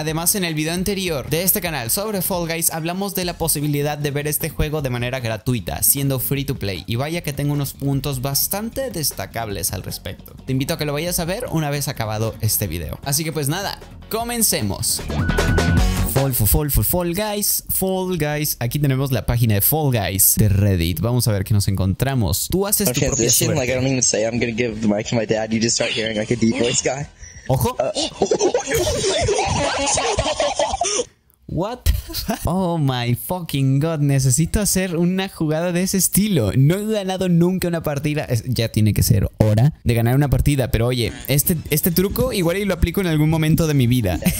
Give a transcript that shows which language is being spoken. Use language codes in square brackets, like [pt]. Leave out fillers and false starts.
[es] Además, en el video anterior de este canal sobre Fall Guys, hablamos de la posibilidad de ver este juego de manera gratuita, siendo free to play, y vaya que tengo unos puntos bastante destacables al respecto. Te invito a que lo vayas a ver una vez acabado este video. Así que pues nada, comencemos. Fall Guys. Aquí tenemos la página de Fall Guys de Reddit. Vamos a ver qué nos encontramos. Tú haces tu propia suerte. [en] Okay, like I don't even say I'm gonna give the mic to my dad. You just start hearing like a deep voice guy. [es] Ojo. [en] What? Oh my fucking god, [es] necesito hacer una jugada de ese estilo. No he ganado nunca una partida. Ya tiene que ser hora de ganar una partida. Pero oye, este truco igual y lo aplico en algún momento de mi vida.